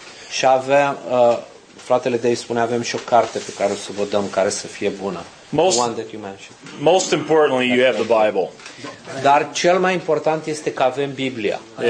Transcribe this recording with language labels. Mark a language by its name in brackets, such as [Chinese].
[Romanian] și avem fratele Dave spune avem și o carte pe care o să vă dăm care să fie bună. [English] Most, the one that you mentioned. Most importantly you have the Bible. [Romanian] Dar cel mai important este că avem Biblia.